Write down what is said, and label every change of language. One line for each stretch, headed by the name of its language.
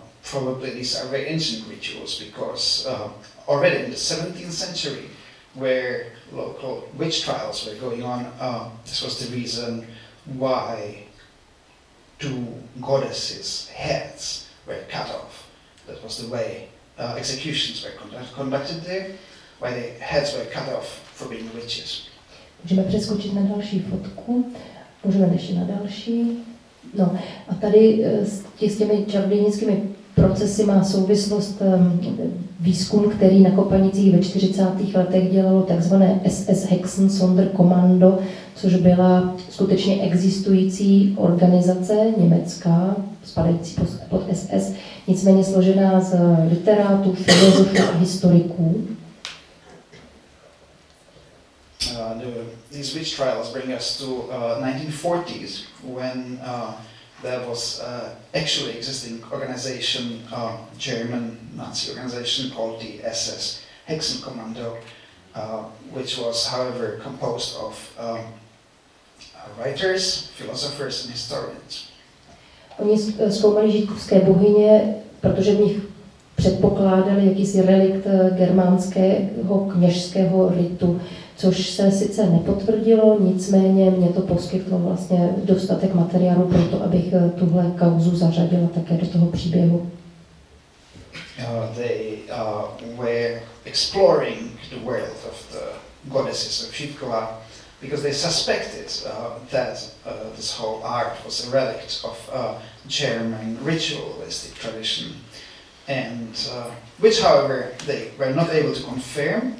English: Probably these are very ancient rituals, because already in the 17th century, where local witch trials were going on, this was the reason why two goddesses' heads were cut off. That was the way executions were conducted there, why the heads were cut off for being witches.
Czech: Můžeme přeskočit na další fotku, můžeme ještě na další. No, a tady s těmi čarodějnickými procesy má souvislost výzkum, který na Kopanicích ve 40. letech dělalo tzv. SS Hexen Sonderkommando, což byla skutečně existující organizace německá, spadající pod SS, nicméně složená z literátů, filozofů a historiků.
English: These witch trials bring us to 1940s, when there was actually existing organization, German Nazi organization called the SS Hexenkommando, which was, however, composed of writers, philosophers, and historians.
Czech: Oni zkoumali žítkovské bohyně, protože v nich předpokládal jakýsi relikt germánského kněžského ritu, což se sice nepotvrdilo, nicméně mě to poskytlo vlastně dostatek materiálu pro to, abych tuhle kauzu zařadila také do toho příběhu.
English: They were exploring the world of the goddesses of Tučková, because they suspected that this whole art was a relic of German ritualistic tradition, and which, however, they were not able to confirm.